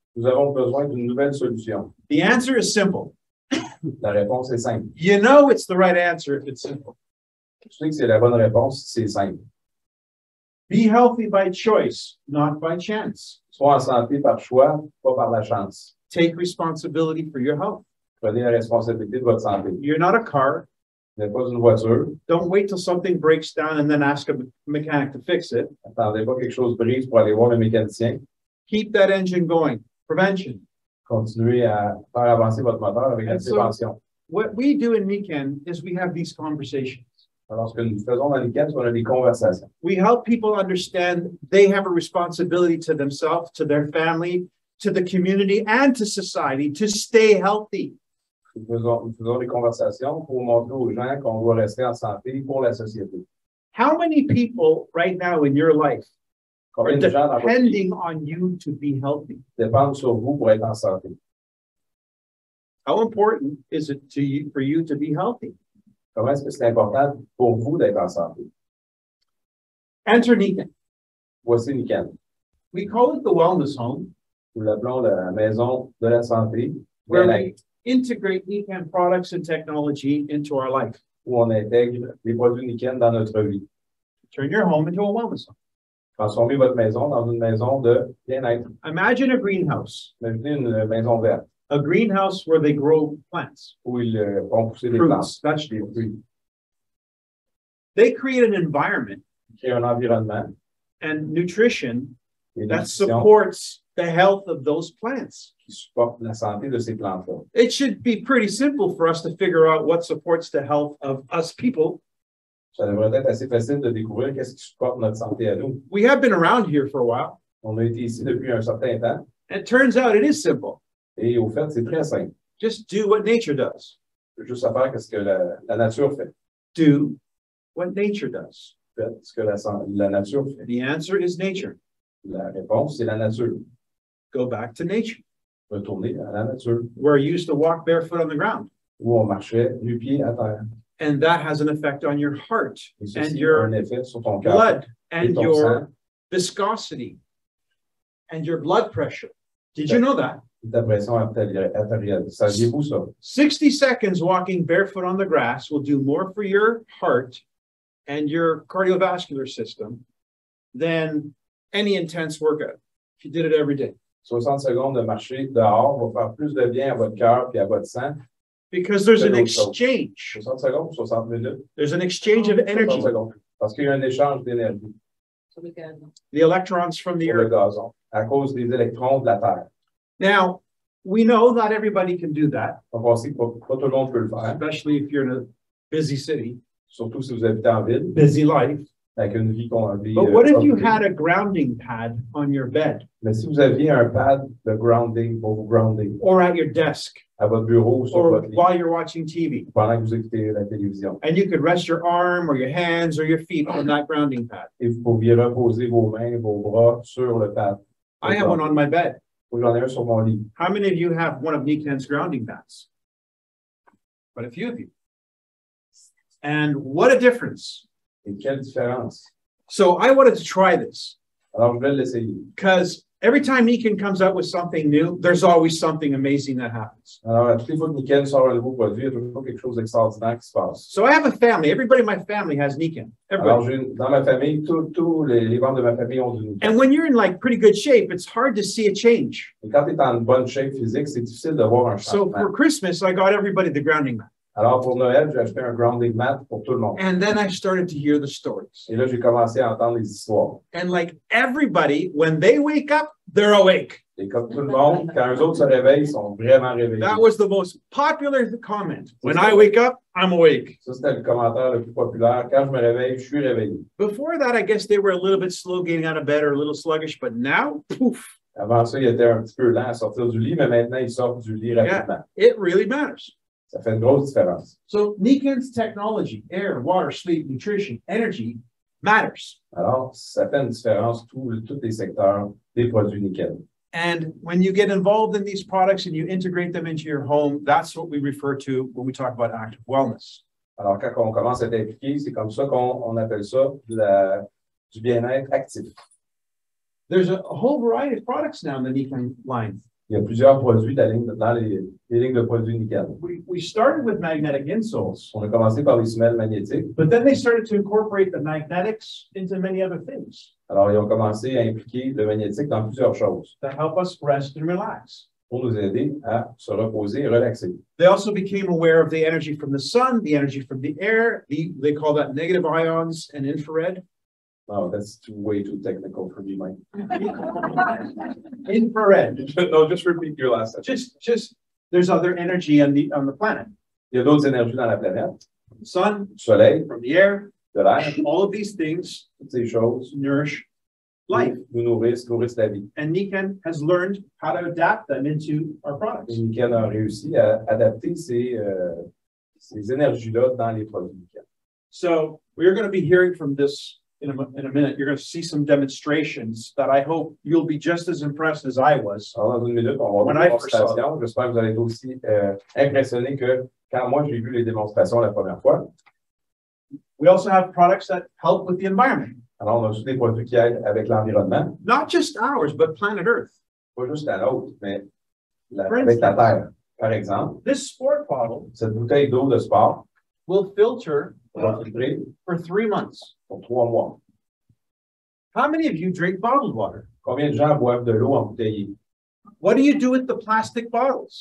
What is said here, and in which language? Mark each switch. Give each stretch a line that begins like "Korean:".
French: Nous avons besoin d'une nouvelle solution.
English: The answer is simple.
French: La réponse est simple.
English: You know it's the right answer if it's simple.
French: Je sais que c'est la bonne réponse si c'est simple.
English: Be healthy by choice, not by chance.
French: Sois en santé par choix, pas par la chance.
English: Take responsibility for your health.
French: Prenez la responsabilité de votre santé.
English: You're not a car.
French: N'est pas une voiture.
English: Don't wait till something breaks down and then ask a mechanic to fix it.
French: Attendez pas que quelque chose brise pour aller voir le mécanicien.
English: Keep that engine going. Prevention.
French: Continuez à faire avancer votre moteur avec la prévention.
English: What we do in Mecan is we have these conversations.
French: Alors, ce que nous faisons dans Mecan, c'est qu'on a des conversations.
English: We help people understand they have a responsibility to themselves, to their family, to the community and to society to stay healthy.
French: Nous faisons des conversations pour montrer aux gens qu'on doit rester en santé pour la société.
English: How many people right now in your life are depending on you to be healthy?
French: Dépendent sur vous pour être en santé.
English: How important is it to you, for you to be healthy?
French: Comment est-ce que c'est important pour vous d'être en santé?
English: Enter Nican.
French: Voici Nican.
English: We call it the wellness home.
French: Nous l'appelons la maison de la santé.
English: Where we integrate Nican products and technology into our life.
French: Où on intègre les produits Nican dans notre vie.
English: Turn your home into a wellness home.
French: Transformez votre maison dans une maison de bien-être.
English: Imagine a greenhouse.
French: Imaginez une maison verte.
English: A greenhouse where they grow plants.
French: Où ils vont pousser
English: fruits,
French: des plantes.
English: Vegetables.
French: Des fruits.
English: They create an environment.
French: Ils créent un environnement.
English: And nutrition that supports the health of those plants.
French: Qui supporte la santé de ces plantes-là.
English: It should be pretty simple for us to figure out what supports the health of us people.
French: Ça devrait être assez facile de découvrir qu'est-ce qui supporte notre santé à nous.
English: We have been around here for a while.
French: On a été ici depuis un certain temps.
English: And it turns out it is simple.
French: Et au fait, c'est très simple.
English: Just do what nature does.
French: Juste à faire qu'est-ce que la nature fait.
English: Do what nature does.
French: Faites ce que la nature fait.
English: The answer is nature.
French: La réponse, c'est la nature.
English: Go back to nature.
French: Retournez à la nature.
English: Where you used to walk barefoot on the ground.
French: Où on marchait nu-pied à terre.
English: And that has an effect on your heart
French: ceci,
English: and your
French: cœur,
English: blood and your
French: sang.
English: Viscosity and your blood pressure. Did you know that?
French: Saviez-vous ça?
English: 60 seconds walking barefoot on the grass will do more for your heart and your cardiovascular system than any intense workout if you did it every day.
French: 60 secondes de marcher dehors va faire plus de bien à votre cœur puis à votre sang.
English: Because there's an exchange.
French: 60 secondes, 60 minutes.
English: There's an exchange of energy.
French: 60 secondes. Parce qu'il y a un échange d'énergie.
English: The electrons from the earth.
French: Le gazon, à cause des électrons de la terre.
English: Now, we know not everybody can do that.
French: Aussi, pas tout le monde peut le faire.
English: Especially if you're in a busy city.
French: Surtout si vous habitez en ville.
English: Busy life.
French: Avec une vie qu'on a vie,
English: but what if you had a grounding pad on your bed?
French: Mais si vous aviez un pad de grounding pour vous grounding.
English: Or at your desk.
French: À votre bureau ou sur
English: or
French: votre lit.
English: While you're watching TV.
French: Pendant que vous écoutez la télévision.
English: And you could rest your arm or your hands or your feet on that grounding pad.
French: Et vous pouviez reposer vos mains, vos bras sur le pad.
English: I have one on my bed.
French: Ou j'en ai un sur mon lit.
English: How many of you have one of Nikan's grounding pads? But a few of you. And what a difference.
French: Et quelle différence.
English: So I wanted to try this.
French: Alors, je vais l'essayer.
English: Because every time Nikan comes out with something new, there's always something amazing that happens.
French: Alors, à toutes les fois que Nikan sort un nouveau produit, il y a toujours quelque chose d'extraordinaire qui se passe.
English: So I have a family. Everybody in my family has Nikan. Everybody.
French: Alors, dans ma famille, tous les membres de ma famille ont du Nikan.
English: And when you're in like pretty good shape, it's hard to see a change.
French: Et quand t'es en bonne shape physique, c'est difficile de voir un changement.
English: So for Christmas, I got everybody the grounding mat.
French: Alors, pour Noël, j'ai acheté un grounding mat pour tout le monde.
English: And then I started to hear the stories.
French: Et là, j'ai commencé à entendre les histoires.
English: And like everybody, when they wake up, they're awake.
French: Et comme tout le monde, quand eux autres se réveillent, ils sont vraiment réveillés.
English: That was the most popular comment. When I wake up, I'm awake.
French: Ça, c'était le commentaire le plus populaire. Quand je me réveille, je suis réveillé.
English: Before that, I guess they were a little bit slow getting out of bed or a little sluggish. But now, poof.
French: Avant ça, ils étaient un petit peu lents à sortir du lit, mais maintenant, ils sortent du lit rapidement.
English: Yeah, it really matters.
French: Ça fait une grosse différence.
English: So, Nikan's technology, air, water, sleep, nutrition, energy, matters.
French: Alors, ça fait une différence tous les secteurs des produits Nikan.
English: And when you get involved in these products and you integrate them into your home, that's what we refer to when we talk about active wellness.
French: Alors, quand on commence à être impliqué, c'est comme ça qu'on appelle ça du bien-être actif.
English: There's a whole variety of products now in the Nikan line.
French: Il y a plusieurs produits dans les lignes de produits Nikan.
English: We started with magnetic insoles.
French: On a commencé par les semelles magnétiques.
English: But then they started to incorporate the magnetics into many other things.
French: Alors, ils ont commencé à impliquer le magnétique dans plusieurs choses.
English: To help us rest and relax.
French: Pour nous aider à se reposer et relaxer.
English: They also became aware of the energy from the sun, the energy from the air. They call that negative ions and infrared. Oh, that's way too technical for me, Mike. Infrared. No, just repeat your last sentence. Just, there's other energy on the planet.
French: Il y a d'autres énergies dans la planète.
English: Sun.
French: Soleil.
English: From the air.
French: De l'air.
English: All of these things.
French: Ces choses.
English: Nourish life.
French: Nous nourrissent la vie.
English: And Nikan has learned how to adapt them into our products.
French: Nikan a réussi à adapter ces énergies-là dans les produits Nikan.
English: So, we're going to be hearing from this. In a minute, you're going to see some demonstrations that I hope you'll be just as impressed as I was.
French: Dans une minute, on va voir les démonstrations. J'espère que vous allez être aussi impressionnés que quand moi j'ai vu les démonstrations la première fois.
English: We also have products that help with the environment.
French: Alors, on a aussi des produits qui aident avec l'environnement.
English: Not just ours, but planet Earth.
French: Pas juste la nôtre, mais avec la Terre. Par exemple,
English: this sport bottle,
French: cette bouteille d'eau de sport,
English: will filter. For 3 months.
French: Pour 3 mois.
English: How many of you drink bottled water?
French: Combien de gens boivent de l'eau en bouteille?
English: What do you do with the plastic bottles?